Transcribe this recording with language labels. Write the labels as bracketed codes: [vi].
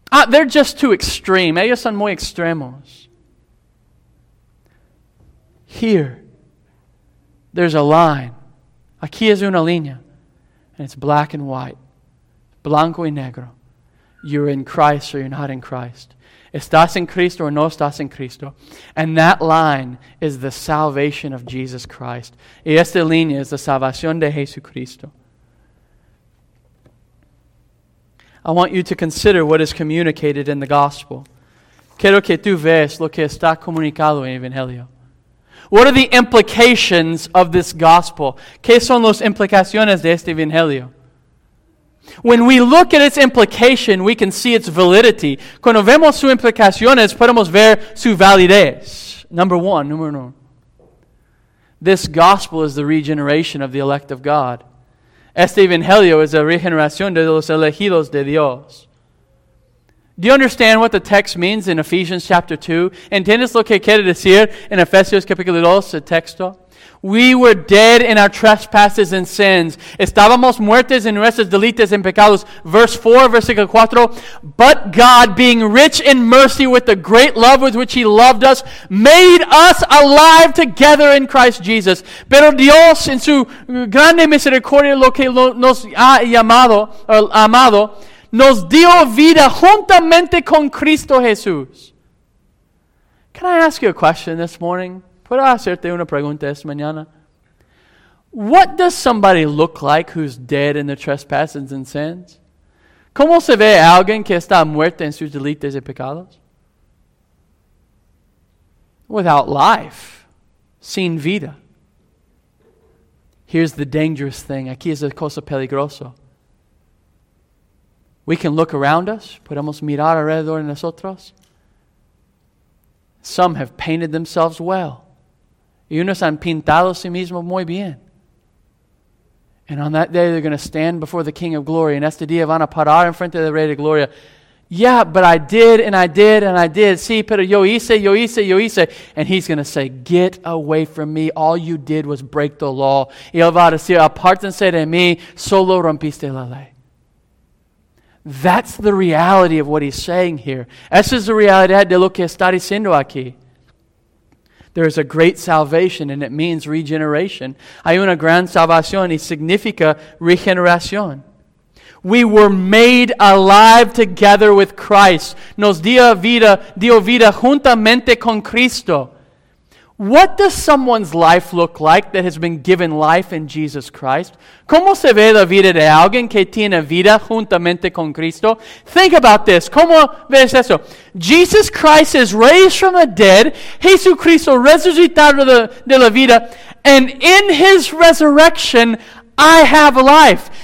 [en] They're just too extreme. [es] Ellos son muy extremos. [en] Here, there's a line. [es] Aquí es una línea. [en] And it's black and white. [es] Blanco y negro. [en] You're in Christ or you're not in Christ. [es] Estás en Cristo or no estás en Cristo. [en] And that line is the salvation of Jesus Christ. [es] Y esta línea es la salvación de Jesucristo. [en] I want you to consider what is communicated in the gospel. [es] Quiero que tú veas lo que está comunicado en el Evangelio. [en] What are the implications of this gospel? [es] ¿Qué son las implicaciones de este Evangelio? [en] When we look at its implication, we can see its validity. [es] Cuando vemos sus implicaciones, podemos ver su validez. Número uno. [en] This gospel is the regeneration of the elect of God. [es] Este evangelio es la regeneración de los elegidos de Dios. [en] Do you understand what the text means in Ephesians chapter 2? [es] ¿Entiendes lo que quiere decir en Efesios capítulo 2, el texto? [en] We were dead in our trespasses and sins. [es] Estábamos muertos en nuestros delitos y pecados. [en] Verse 4, [es] versículo 4. [en] But God, being rich in mercy with the great love with which he loved us, made us alive together in Christ Jesus. [es] Pero Dios, en su grande misericordia, lo que nos ha llamado, amado, nos dio vida juntamente con Cristo Jesús. [en] Can I ask you a question this morning? [es] ¿Puedo hacerte una pregunta esta mañana? [en] What does somebody look like who's dead in their trespasses and sins? [es] ¿Cómo se ve alguien que está muerto en sus delitos y pecados? [en] Without life, [es] sin vida. [en] Here's the dangerous thing. [es] Aquí es la cosa peligrosa. [en] We can look around us. [es] Podemos mirar alrededor de nosotros. [en] Some have painted themselves well. [es] Y unos han pintado a sí mismos muy bien. [en] And on that day, they're going to stand before the King of Glory. [es] En este día van a parar en frente del Rey de Gloria. [en] Yeah, but I did, and I did, and I did. [es] Sí, pero yo hice. [en] And he's going to say, get away from me. All you did was break the law. [es] Y él va a decir, apártense de mí. Solo rompiste la ley. [en] That's the reality of what he's saying here. [es] Esa es la realidad de lo que está diciendo aquí. [en] There is a great salvation, and it means regeneration. [es] Hay una gran salvación y significa regeneración. [en] We were made alive together with Christ. [es] Nos dio vida juntamente con Cristo. [en] What does someone's life look like that has been given life in Jesus Christ? [es] ¿Cómo se ve la vida de alguien que tiene vida juntamente con Cristo? [en] Think about this. [es] ¿Cómo ves eso? [en] Jesus Christ is raised from the dead. [es] Jesucristo resucitado de la vida. [en] And in his resurrection, I have life.